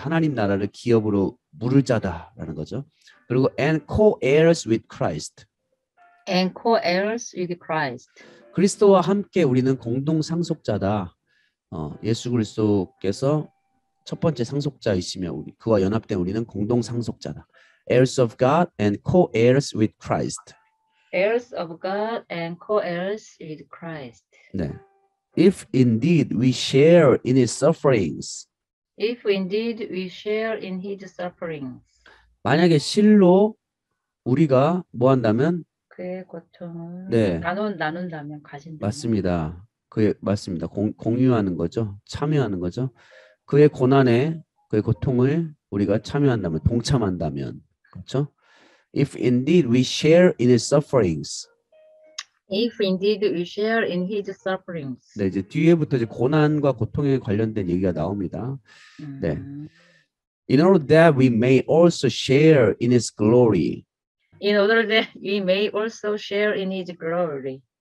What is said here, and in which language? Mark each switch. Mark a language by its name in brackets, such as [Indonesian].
[Korean] 하나님 나라를 기업으로 물을 자다라는 거죠. 그리고 [English] and co-heirs with Christ. And co-heirs with Christ. [Korean] 그리스도와 함께 우리는 공동 상속자다. 예수 그리스도께서 첫 번째 상속자이시며 우리 그와 연합된 우리는 공동 상속자다. [English] Heirs of God and co-heirs with Christ. Heirs of God and co-heirs with Christ. 네. If indeed we share in his sufferings. If indeed we share in his sufferings. [Korean] 만약에 실로 우리가 뭐 한다면 그의 고통을 네. 나눈다면 가진다. 맞습니다. 그의 맞습니다. 공유하는 거죠. 참여하는 거죠. 그의 고난에 그의 고통을 우리가 참여한다면 동참한다면 그렇죠? [English] If indeed we share in his sufferings. If indeed we share in his sufferings. [Korean] 네, 이제 뒤에부터 이제 고난과 고통에 관련된 얘기가 나옵니다. 네. [English] In order that we may also share in his glory. In order that we may also share in his glory.